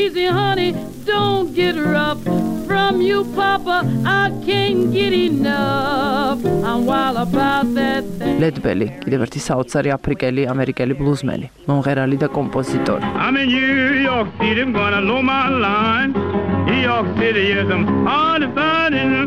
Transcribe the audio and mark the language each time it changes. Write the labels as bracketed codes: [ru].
[en] Honey, don't get her up from you, Papa. I can't get enough. I'm wild about that thing. [ka] Led Belly, კიდევ ერთი საოცარი აფრიკელი ამერიკელი ბლუზმენი, მომღერალი და კომპოზიტორი. [en] I'm in New York City, I'm gonna blow my line. New York City is I'm on the burning.